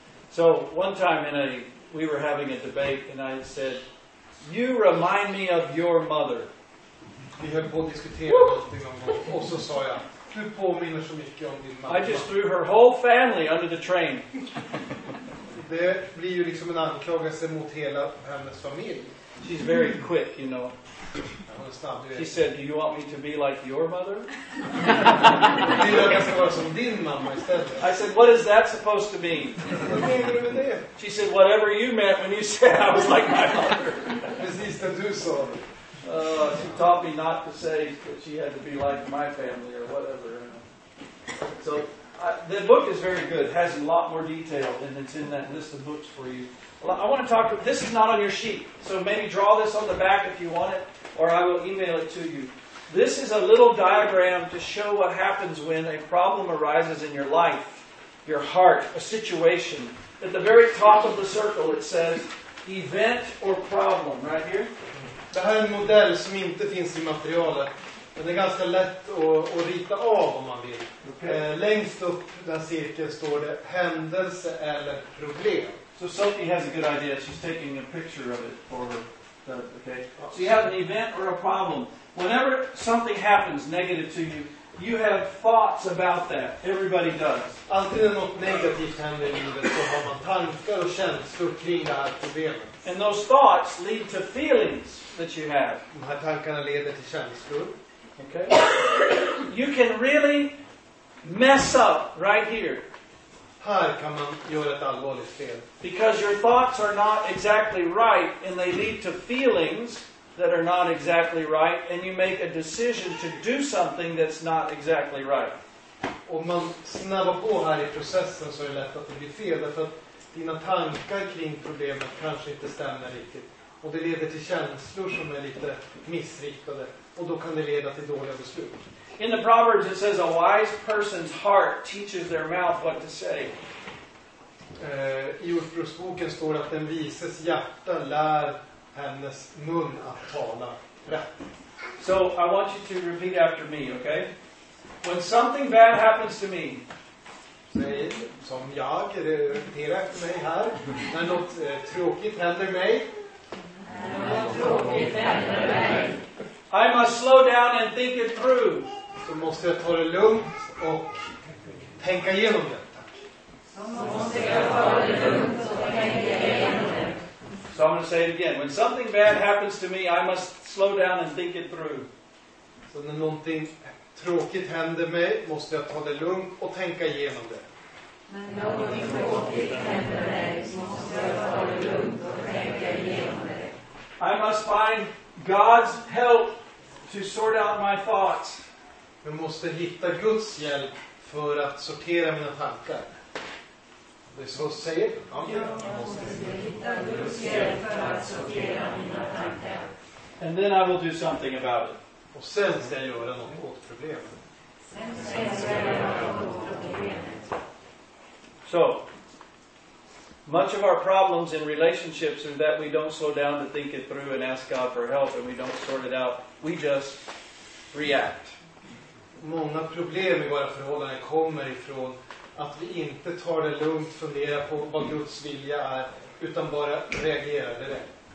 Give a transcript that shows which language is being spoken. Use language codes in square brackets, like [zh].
[en] So one time we were having a debate and I said, you remind me of your mother. [sv] Vi höll på att diskutera någonting om honom. Och så sa jag, du påminner så mycket om din mamma. [en] I just threw her whole family under the train. [sv] Det blir ju liksom en anklagelse mot hela hennes familj. [en] She's very quick, you know. [sv] Hon är snabb, du vet. [en] She said, do you want me to be like your mother? [sv] Du vill att jag ska vara som din mamma istället. [en] I said, what is that supposed to mean? [sv] Vad menar du med det? [en] She said, whatever you meant when you said I was like my mother. [sv] Precis det du sa. [en] She taught me not to say that she had to be like my family or whatever. So the book is very good. It has a lot more detail, and it's in that list of books for you. I want to talk to you. This is not on your sheet, so maybe draw this on the back if you want it, or I will email it to you. This is a little diagram to show what happens when a problem arises in your life, your heart, a situation. At the very top of the circle, it says event or problem, right here. [sv] Det här är en modell som inte finns i materialet. Men det är ganska lätt att rita av om man vill. Okay. Längst upp den cirkeln står det händelse eller problem. [en] So Sophie has a good idea. She's taking a picture of it for her. Okay. So you have an event or a problem. Whenever something happens negative to you, you have thoughts about that. Everybody does. [sv] Alltid när något negativt händer i livet så har man tankar och känslor kring det här problemet. [en] And those thoughts lead to feelings that you have. [sv] De här tankarna leder till känslor. [en] Okay. You can really mess up right here. [sv] Här kan man göra ett allvarligt fel. [en] Because your thoughts are not exactly right and they lead to feelings that are not exactly right and you make a decision to do something that's not exactly right. [sv] Om man snabbar på här i processen så är det lätt att det blir fel därför att dina tankar kring problemet kanske inte stämmer riktigt. Och det leder till känslor som är lite missriktade. Och då kan det leda till dåliga beslut. [en] In the Proverbs it says a wise person's heart teaches their mouth what to say. [sv] I Ordspråksboken står att den vises hjärta lär hennes mun att tala rätt. [en] So I want you to repeat after me, okay? When something bad happens to me. [sv] Nej, som jag repeterar efter mig här. När något tråkigt händer mig. [en] I must slow down and think it through. [sv] Så måste jag ta det lugnt och tänka igenom det. [en] So I'm going to say it again. When something bad happens to me, I must slow down and think it through. [sv] Så när någonting tråkigt händer mig, måste jag ta det lugnt och tänka igenom det. [en] I must find God's help to sort out my thoughts. [sv] Jag måste hitta Guds hjälp för att sortera mina tankar. Det är så att säga. Jag måste hitta Guds hjälp för att sortera mina tankar. [en] And then I will do something about it. [sv] Och sen ska jag göra något åt problemet. [en] So, much of our problems in relationships are that we don't slow down to think it through and ask God for help, and we don't sort it out. We just react. [sv] Många problem i våra förhållanden kommer ifrån att vi inte tar det lugnt, funderar på vad Guds vilja är, utan bara reagerar direkt.